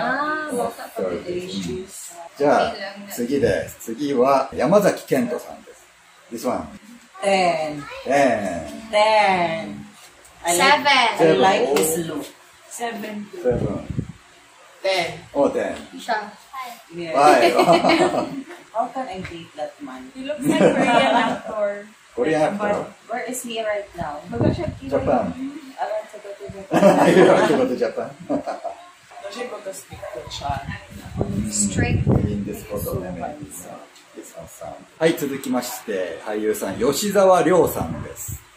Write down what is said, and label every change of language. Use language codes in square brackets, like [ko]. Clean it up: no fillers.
[en] Ah, what about the issues? [ja] じゃあ、次です。次は、山崎賢人さんです。 [en] This one. 10. 10. 10. 7. I like his look. 7. 10. Oh, 10. [tl] Siya. [en] 5. Yeah. 5. How can I date that man? He looks like Korean actor. What do you have, where is he right now? Japan. I want to go to Japan. You want to go to Japan? Don't you go to speak to Chan? Strict. In this photo, let me know. It's awesome. [ja] はい、続きまして、俳優さん、吉沢亮さんです。